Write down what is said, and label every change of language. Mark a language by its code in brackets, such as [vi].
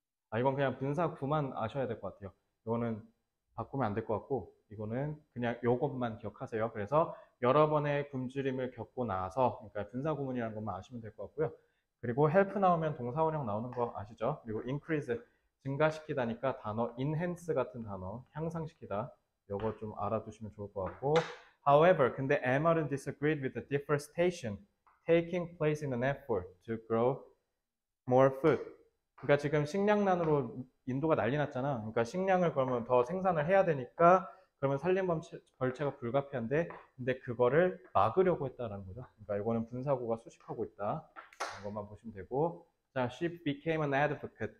[ko] 아, 이건 그냥 분사구만 아셔야 될것 같아요. 이거는 바꾸면 안될것 같고, 이거는 그냥 요것만 기억하세요. 그래서 여러 번의 굶주림을 겪고 나서, 그러니까 분사구문이라는 것만 아시면 될것 같고요. 그리고 help 나오면 동사원형 나오는 거 아시죠? 그리고 increase, 증가시키다니까 단어 enhance 같은 단어, 향상시키다. 요거 좀 알아두시면 좋을 것 같고. [en] However, [ko] 근데 [en] Emma는 disagreed with the deforestation taking place in an effort to grow more food. [ko] 그러니까 지금 식량난으로 인도가 난리 났잖아. 그러니까 식량을 그러면 더 생산을 해야 되니까 그러면 벌채가 불가피한데 근데 그거를 막으려고 했다라는 거죠. 그러니까 이거는 분사구가 수식하고 있다. 이런 것만 보시면 되고. 자, [en] she became an advocate.